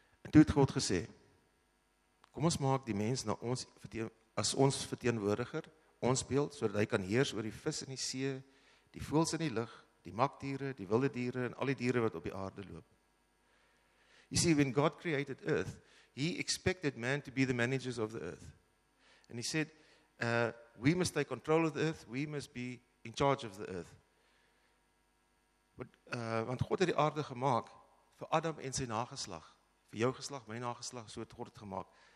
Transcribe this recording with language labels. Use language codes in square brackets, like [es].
[af] Toe het God gesê, kom ons maak die mens na ons as ons verteenwoordiger, ons beeld, sodat hy kan heers oor die vis in die see, die voëls in die lug, die makdiere, die wilde diere en al die diere wat op die aarde loop. [en] You see, when God created earth, he expected man to be the managers of the earth. And he said, we must take control of the earth, we must be in charge of the earth. [af] Want God het die aarde gemaak vir Adam en sy nageslag. Vir jou geslag, my nageslag, so het God het gemaak.